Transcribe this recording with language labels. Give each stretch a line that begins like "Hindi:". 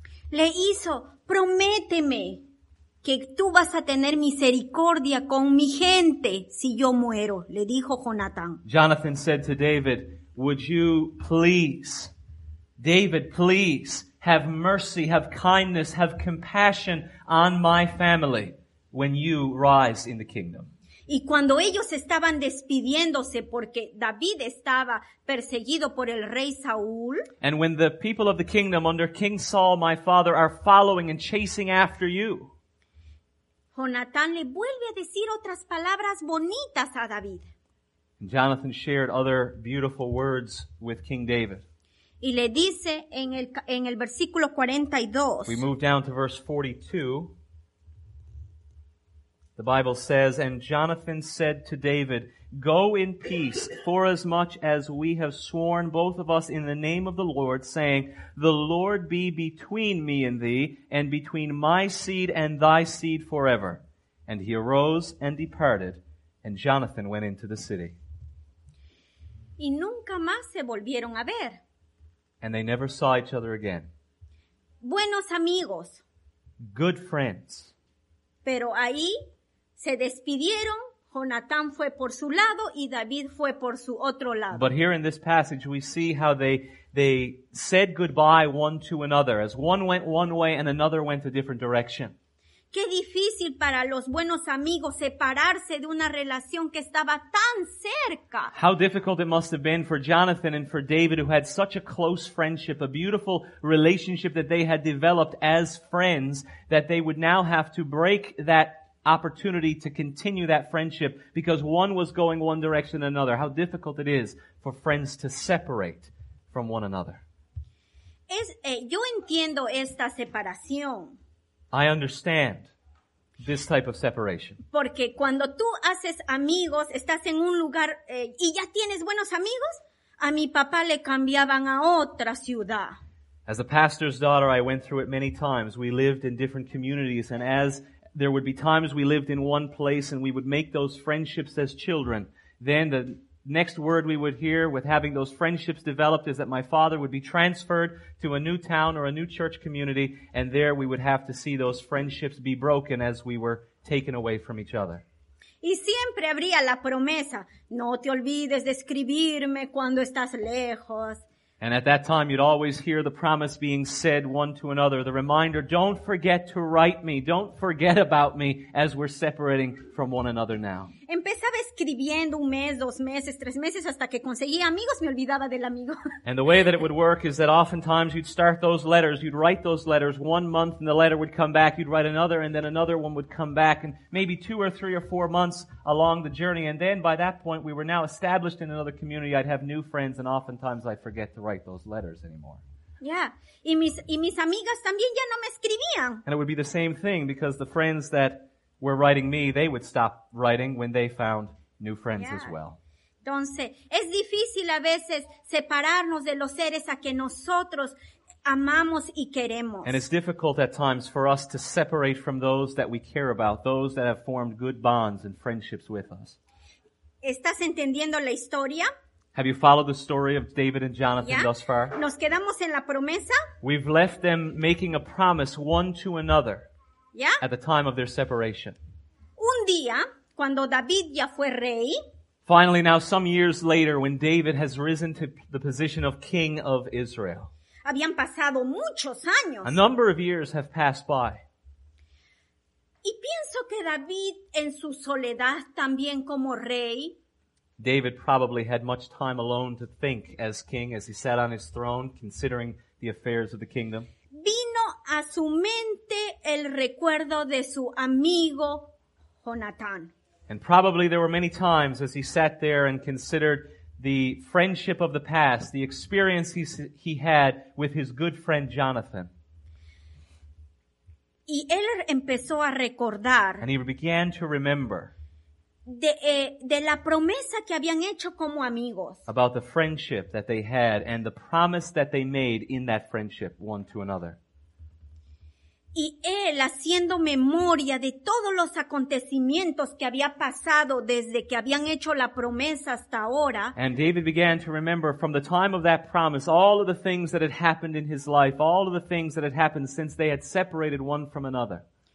Spanish: Le hizo, "Prométeme que tú vas a tener misericordia con mi gente si yo muero," le dijo Jonathan.
English: Jonathan said to David, "Would you please, David, please have mercy, have kindness, have compassion on my family when you rise in the kingdom."
Spanish: Y cuando ellos estaban despidiéndose porque David estaba perseguido por el rey Saúl.
English: And when the people of the kingdom under King Saul, my father, are following and chasing after you.
Spanish: Jonathan le vuelve a decir otras palabras bonitas a David.
English: Jonathan shared other beautiful words with King David.
Spanish: Y le dice en el versículo 42.
English: We move down to verse 42. The Bible says, "And Jonathan said to David, 'Go in peace, for as much as we have sworn both of us in the name of the Lord, saying, The Lord be between me and thee, and between my seed and thy seed forever.' And he arose and departed, and Jonathan went into the city."
Spanish: Y nunca más se volvieron a ver.
English: And they never saw each other again.
Spanish: Buenos amigos.
English: Good friends.
Spanish: Pero ahí se despidieron, Jonathan fue por su lado y David fue por su otro lado.
English: But here in this passage we see how they said goodbye one to another as one went one way and another went a different direction.
Spanish: Qué difícil para los buenos amigos separarse de una relación que estaba tan cerca.
English: How difficult it must have been for Jonathan and for David, who had such a close friendship, a beautiful relationship that they had developed as friends, that they would now have to break that opportunity to continue that friendship because one was going one direction and another. How difficult it is for friends to separate from one another.
Spanish: Yo entiendo esta separación.
English: I understand this type of separation.
Spanish: Porque cuando tú haces amigos, estás en un lugar y ya tienes buenos amigos, a mi papá le cambiaban a otra ciudad.
English: As a pastor's daughter, I went through it many times. We lived in different communities, and as there would be times we lived in one place and we would make those friendships as children. Then the next word we would hear with having those friendships developed is that my father would be transferred to a new town or a new church community, and there we would have to see those friendships be broken as we were taken away from each other.
Spanish: Y siempre habría la promesa, no te olvides de escribirme cuando estás lejos.
English: And at that time, you'd always hear the promise being said one to another, the reminder, don't forget to write me, don't forget about me, as we're separating from one another now.
Spanish: Empezaba escribiendo un mes, dos meses, tres meses, hasta que conseguía amigos, me olvidaba del amigo.
English: And the way that it would work is that oftentimes you'd start those letters, you'd write those letters 1 month, and the letter would come back, you'd write another, and then another one would come back, and maybe 2 or 3 or 4 months along the journey, and then by that point, we were now established in another community, I'd have new friends, and oftentimes I'd forget to write those letters anymore. Yeah.
Spanish: Y mis amigas también ya no me escribían.
English: And it would be the same thing, because the friends that were writing me, they would stop writing when they found new friends as well.
Spanish: Entonces, es difícil a veces separarnos de los seres a que nosotros amamos y queremos.
English: And it's difficult at times for us to separate from those that we care about, those that have formed good bonds and friendships with us.
Spanish: ¿Estás entendiendo la historia?
English: Have you followed the story of David and Jonathan thus far?
Spanish: Nos quedamos en la promesa.
English: We've left them making a promise one to another. Yeah. At the time of their separation.
Spanish: Un día, cuando David ya fue rey.
English: Finally, now some years later, when David has risen to the position of king of Israel.
Spanish: Habían pasado muchos años.
English: A number of years have passed by.
Spanish: Y pienso que David, en su soledad también como rey.
English: David probably had much time alone to think as king, as he sat on his throne, considering the affairs of the kingdom.
Spanish: Vino a su mente el recuerdo de su amigo Jonathan.
English: And probably there were many times as he sat there and considered the friendship of the past, the experiences he had with his good friend Jonathan.
Spanish: Y él empezó a recordar.
English: And he began to remember.
Spanish: de la promesa que habían hecho como amigos.
English: About the friendship that they had and the promise that they made in that friendship one to another.
Spanish: Y él, haciendo memoria de todos los acontecimientos que había pasado desde que habían hecho la promesa hasta ahora.
English: And David began to remember from the time of that promise all of the things that had happened in his life, all of the things that had happened since they had separated one from another.